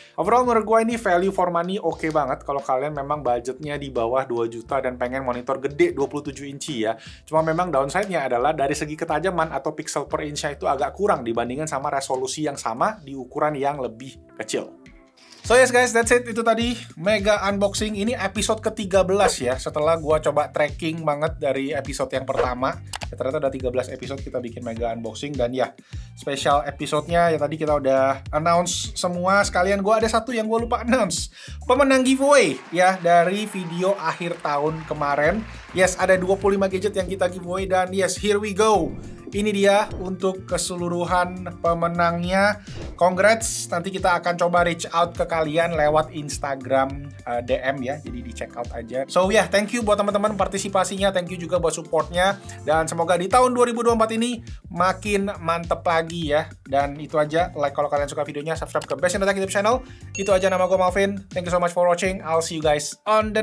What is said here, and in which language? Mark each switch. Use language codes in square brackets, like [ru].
[id] Overall, menurut gue ini value for money oke banget, kalau kalian memang budgetnya di bawah 2 juta dan pengen monitor gede 27 inci ya. Cuma memang downside-nya adalah dari segi ketajaman atau pixel per inch itu agak kurang dibandingkan sama resolusi yang sama di ukuran yang lebih kecil. [en] So yes guys, that's it. [id] Itu tadi mega unboxing. Ini episode ke-13 ya, setelah gua coba tracking banget dari episode yang pertama. Ya, ternyata ada 13 episode kita bikin mega unboxing. Dan ya, special episode-nya ya tadi kita udah announce semua. Sekalian gua ada satu yang gua lupa announce. Pemenang giveaway ya, dari video akhir tahun kemarin. Yes, ada 25 gadget yang kita giveaway. Dan yes, [en] here we go. [id] Ini dia untuk keseluruhan pemenangnya. Congrats, nanti kita akan coba reach out ke kalian lewat Instagram DM ya, jadi di check out aja. So yeah, thank you buat teman-teman partisipasinya, thank you juga buat supportnya, dan semoga di tahun 2024 ini makin mantep lagi ya. Dan itu aja, like kalau kalian suka videonya, subscribe ke Best Entertainment YouTube channel. Itu aja, nama gue [en] Malvin, thank you so much for watching, I'll see you guys on the next video. Ciao!